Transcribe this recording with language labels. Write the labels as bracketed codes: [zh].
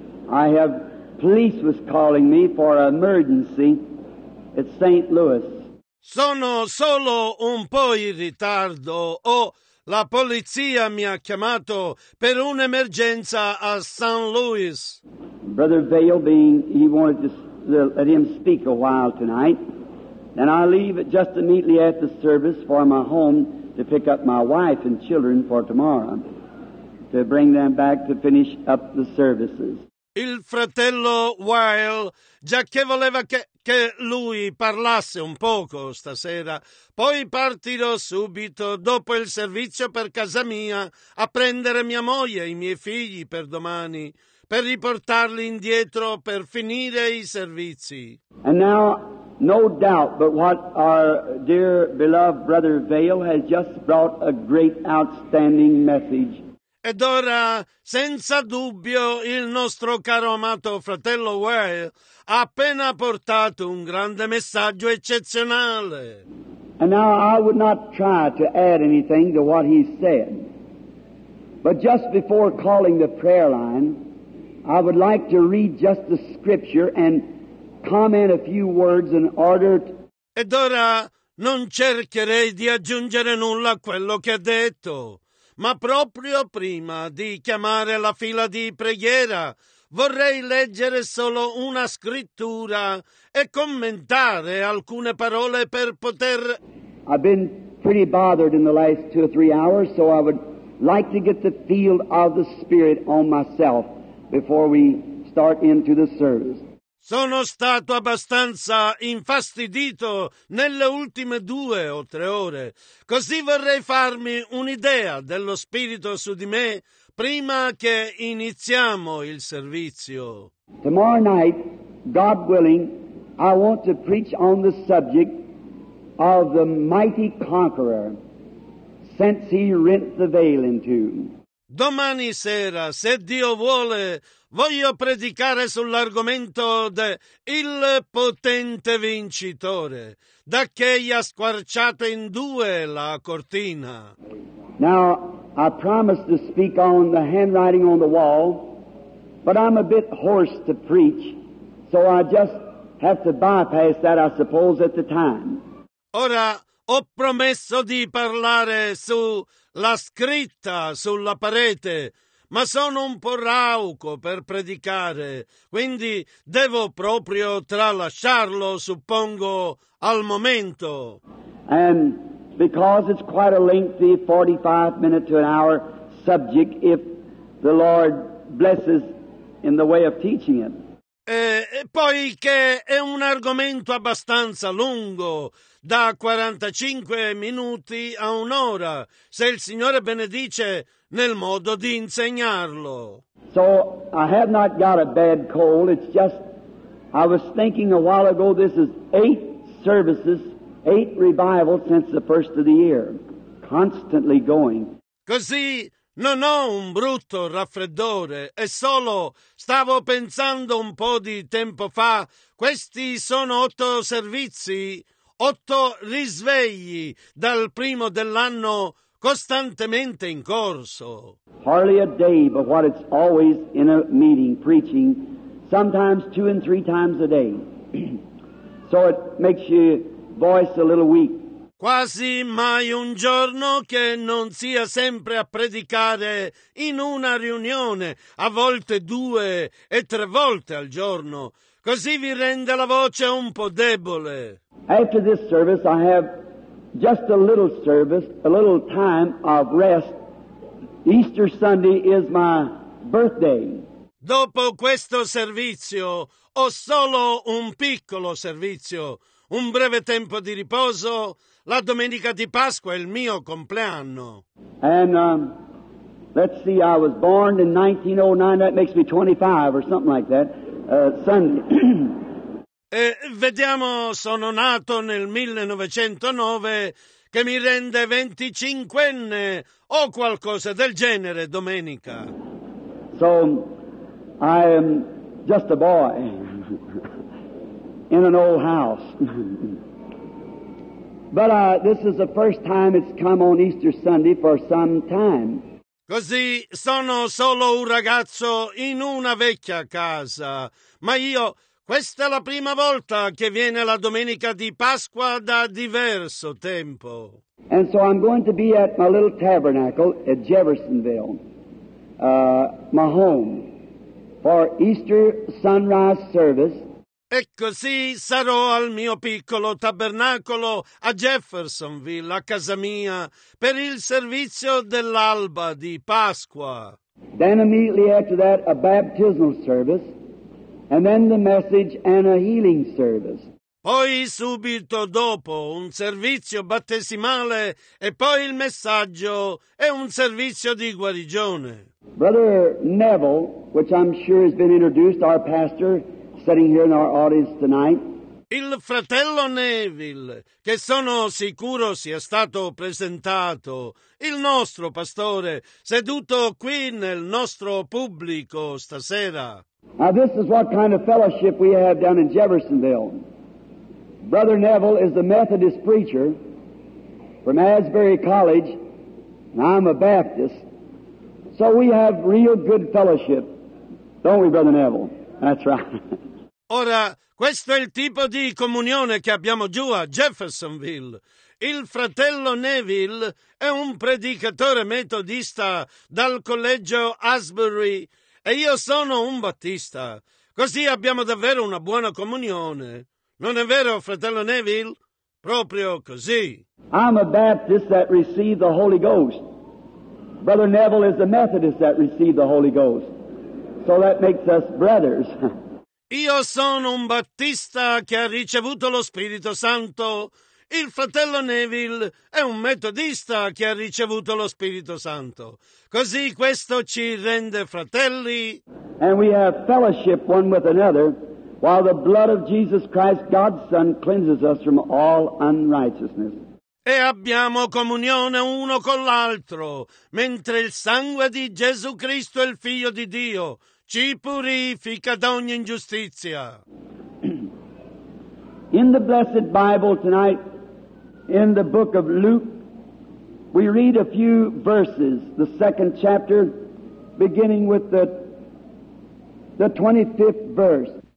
[en] I have police was calling me for an emergency at St. Louis. [it] Sono solo un po' in ritardo. La polizia mi ha chiamato per un'emergenza a St. Louis. [en] Brother Vail, he wanted to let him speak a while tonight. And I leave just immediately after service for my home to pick up my wife and children for tomorrow. To bring them back to finish up the services. [it] Il fratello Weil, già che voleva che lui parlasse un poco stasera, poi partirò subito dopo il servizio per casa mia a prendere mia moglie e i miei figli per domani, per riportarli indietro per finire i servizi. [en] And now, no doubt but what our dear beloved brother Vail has just brought a great outstanding message. [it] Ed ora, senza dubbio, il nostro caro amato fratello Weil ha appena portato un grande messaggio eccezionale. [en] And now I would not try to add anything to what he said, but just before calling the prayer line, I would like to read just the scripture and comment a few words in order. [it] Ed ora non cercherei di aggiungere nulla a quello che ha detto. Ma proprio prima di chiamare la fila di preghiera, vorrei leggere solo una scrittura e commentare alcune parole per poter... [en] I've been pretty bothered in the last two or three hours, so I would like to get the feel of the Spirit on myself before we start into the service. [it] Sono stato abbastanza infastidito nelle ultime due o tre ore, così vorrei farmi un'idea dello Spirito su di me prima che iniziamo il servizio. [en] Tomorrow night, God willing, I want to preach on the subject of the mighty conqueror, since he rent the veil in two. [it] Domani sera, se Dio vuole, voglio predicare sull'argomento de Il potente vincitore, da che gli ha squarciato in due la cortina. [en] Now, I promised to speak on the handwriting on the wall, but I'm a bit hoarse to preach, so I just have to bypass that, I suppose, at the time. [it] Ora, ho promesso di parlare su la scritta sulla parete, ma sono un po' rauco per predicare, quindi devo proprio tralasciarlo, suppongo, al momento. [en] And because it's quite a lengthy 45 minute to an hour subject, if the Lord blesses in the way of teaching it. [it] Poiché è un argomento abbastanza lungo, da 45 minuti a un'ora, se il Signore benedice nel modo di insegnarlo. [en] So, I have not got a bad cold, it's just, I was thinking a while ago, this is eight services, eight revivals since the first of the year, constantly going. [it] Così, non ho un brutto raffreddore, è solo, stavo pensando un po' di tempo fa, questi sono otto servizi, otto risvegli dal primo dell'anno costantemente in corso. [en] Hardly a day, but what it's always in a meeting, preaching, sometimes two and three times a day. So it makes your voice a little weak. [it] Quasi mai un giorno che non sia sempre a predicare in una riunione, a volte due e tre volte al giorno. Così vi rende la voce un po' debole. [en] After this service I have just a little service, a little time of rest. Easter Sunday is my birthday. [it] Dopo questo servizio ho solo un piccolo servizio, un breve tempo di riposo. La domenica di Pasqua è il mio compleanno. [en] And let's see, I was born in 1909, that makes me 25 or something like that. Sunday. [it] Vediamo, sono nato nel 1909, che mi rende 25enne o qualcosa del genere, domenica. [en] So, I am just a boy in an old house. But this is the first time it's come on Easter Sunday for some time. [it] Così sono solo un ragazzo in una vecchia casa, ma io questa è la prima volta che viene la domenica di Pasqua da diverso tempo. [en] And so I'm going to be at my little tabernacle at Jeffersonville, my home, for Easter sunrise service. [it] E così sarò al mio piccolo tabernacolo a Jeffersonville, a casa mia, per il servizio dell'alba di Pasqua. [en] Then immediately after that, a baptismal service, and then the message and a healing service. [it] Poi subito dopo un servizio battesimale, e poi il messaggio e un servizio di guarigione. [en] Brother Neville, which I'm sure has been introduced, our pastor, sitting here in our audience tonight. [it] Il fratello Neville, che sono sicuro sia stato presentato, il nostro pastore, seduto qui nel nostro pubblico stasera. [en] Now this is what kind of fellowship we have down in Jeffersonville. Brother Neville is a Methodist preacher from Asbury College, and I'm a Baptist. So we have real good fellowship, don't we, Brother Neville? That's right. [it] Ora, questo è il tipo di comunione che abbiamo giù a Jeffersonville. Il fratello Neville è un predicatore metodista dal collegio Asbury e io sono un battista. Così abbiamo davvero una buona comunione. Non è vero, fratello Neville? Proprio così. [en] I'm a Baptist that received the Holy Ghost. Brother Neville is a Methodist that received the Holy Ghost. So that makes us brothers. [it] Io sono un battista che ha ricevuto lo Spirito Santo. Il fratello Neville è un metodista che ha ricevuto lo Spirito Santo. Così questo ci rende fratelli. [en] And we have fellowship one with another, while the blood of Jesus Christ, God's Son, cleanses us from all unrighteousness. [it] e abbiamo comunione uno con l'altro, mentre il sangue di Gesù Cristo, il Figlio di Dio, ci purifica da ogni ingiustizia. [en] In the Blessed Bible tonight, in the book of Luke, we read a few verses, the second chapter, beginning with the 25th verse.